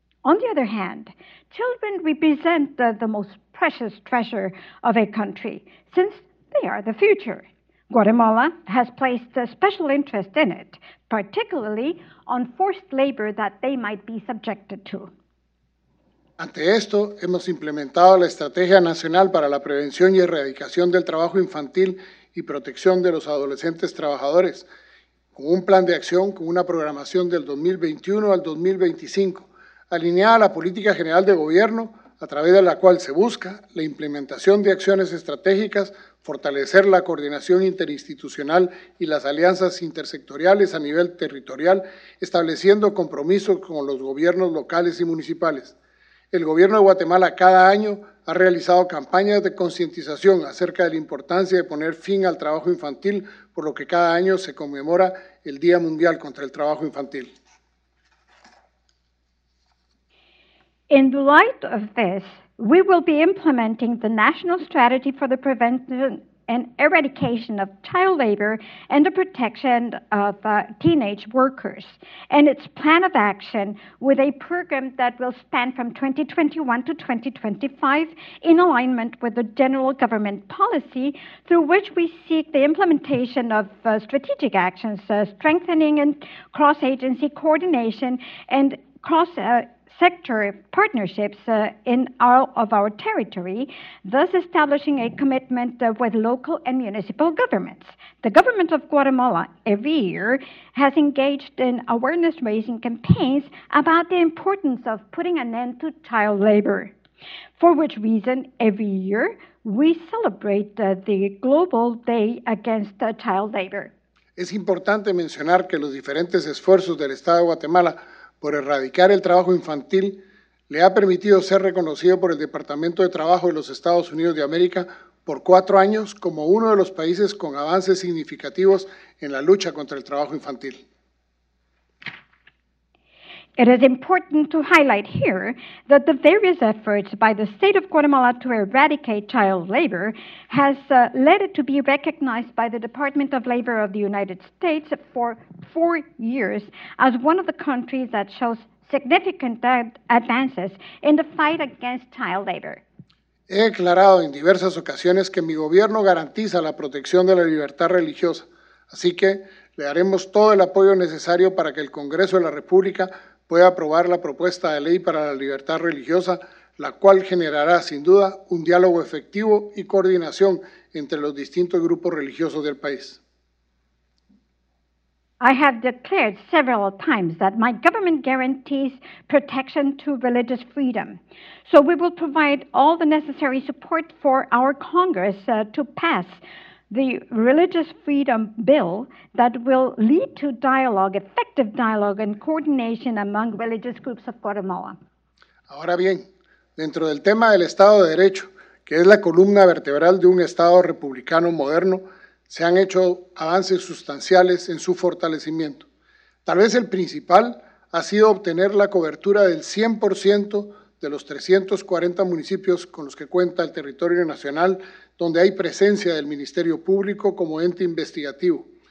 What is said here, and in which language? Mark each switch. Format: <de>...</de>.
<en>On the other hand, children represent the most precious treasure of a country, since they are the future. Guatemala has placed a special interest in it, particularly on forced labor that they might be subjected to.</en> <es>Ante esto, hemos implementado la Estrategia Nacional para la Prevención y Erradicación del Trabajo Infantil y Protección de los Adolescentes Trabajadores, con un plan de acción con una programación del 2021 al 2025, alineada a la Política General de Gobierno, a través de la cual se busca la implementación de acciones estratégicas, fortalecer la coordinación interinstitucional y las alianzas intersectoriales a nivel territorial, estableciendo compromisos con los gobiernos locales y municipales. El gobierno de Guatemala cada año ha realizado campañas de concientización acerca de la importancia de poner fin al trabajo infantil, por lo que cada año se conmemora el Día Mundial contra el Trabajo Infantil.</es> <en>In light of this, we will be implementing the National Strategy for the Prevention and Eradication of Child Labor and the Protection of Teenage Workers, and its plan of action with a program that will span from 2021 to 2025 in alignment with the general government policy, through which we seek the implementation of strategic actions, strengthening and cross-agency coordination and cross sector partnerships in all of our territory, thus establishing a commitment with local and municipal governments. The government of Guatemala every year has engaged in awareness-raising campaigns about the importance of putting an end to child labor, for which reason every year we celebrate the Global Day Against Child Labor.</en> <es>Es importante mencionar que los diferentes esfuerzos del Estado de Guatemala por erradicar el trabajo infantil, le ha permitido ser reconocido por el Departamento de Trabajo de los Estados Unidos de América por 4 años como uno de los países con avances significativos en la lucha contra el trabajo infantil.</es> <en>It is important to highlight here that the various efforts by the state of Guatemala to eradicate child labor has led it to be recognized by the Department of Labor of the United States for 4 years as one of the countries that shows significant advances in the fight against child labor.</en> <es>He declarado en diversas ocasiones que mi gobierno garantiza la protección de la libertad religiosa, así que le daremos todo el apoyo necesario para que el Congreso de la República puede aprobar la propuesta de ley para la libertad religiosa, la cual generará, sin duda, un diálogo efectivo y coordinación entre los distintos grupos religiosos del país.</es> <en>I have declared several times that my government guarantees protection to religious freedom. So we will provide all the necessary support for our Congress to pass the Religious Freedom Bill that will lead to dialogue, effective dialogue and coordination among religious groups of Guatemala.</en> <es>Ahora bien, dentro del tema del Estado de Derecho, que es la columna vertebral de un Estado republicano moderno, se han hecho avances sustanciales en su fortalecimiento. Tal vez el principal ha sido obtener la cobertura del 100% de los 340 municipios con los que cuenta el territorio nacional, donde hay presencia del Ministerio Público como ente investigativo.</es>